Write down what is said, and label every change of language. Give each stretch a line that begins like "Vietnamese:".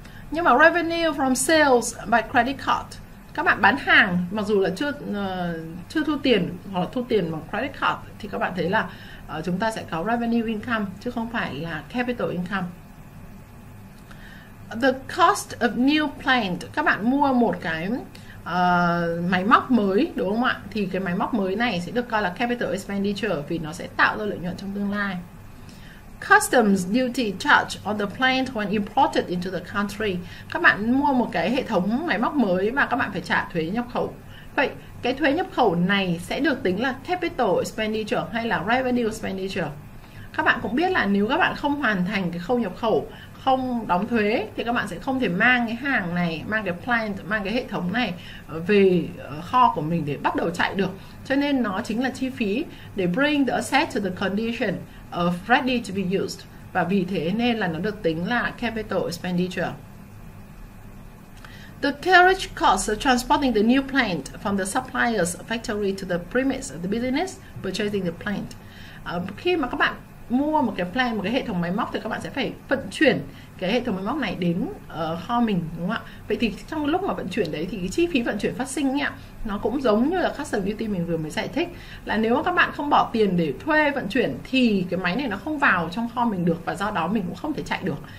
Vietnamese: Nhưng mà
English: revenue from sales by credit card,
Vietnamese: các bạn bán hàng mặc dù là chưa chưa thu tiền hoặc là thu tiền bằng credit card thì các bạn thấy là chúng ta sẽ có revenue income chứ không phải là capital income.
English: The cost of new plant,
Vietnamese: các bạn mua một cái máy móc mới đúng không ạ? Thì cái máy móc mới này sẽ được coi là capital expenditure vì nó sẽ tạo ra lợi nhuận trong tương lai.
English: Customs duty charge on the plant when imported into the country.
Vietnamese: Các bạn mua một cái hệ thống máy móc mới mà các bạn phải trả thuế nhập khẩu. Vậy cái thuế nhập khẩu này sẽ được tính là capital expenditure hay là revenue expenditure? Các bạn cũng biết là nếu các bạn không hoàn thành cái khâu nhập khẩu, không đóng thuế thì các bạn sẽ không thể mang cái hàng này, mang cái plant, mang cái hệ thống này về kho của mình để bắt đầu chạy được. Cho nên nó chính là chi phí để
English: bring the asset to the condition of ready to be used.
Vietnamese: Và vì thế nên là nó được tính là capital expenditure.
English: The carriage cost of transporting the new plant from the supplier's factory to the premise of the business purchasing the plant.
Vietnamese: Khi mà các bạn mua một cái plant, một cái hệ thống máy móc thì các bạn sẽ phải vận chuyển cái hệ thống máy móc này đến kho mình, đúng không ạ? Vậy thì trong lúc mà vận chuyển đấy thì cái chi phí vận chuyển phát sinh ạ, nó cũng giống như là custom duty mình vừa mới giải thích, là nếu mà các bạn không bỏ tiền để thuê vận chuyển thì cái máy này nó không vào trong kho mình được và do đó mình cũng không thể chạy được.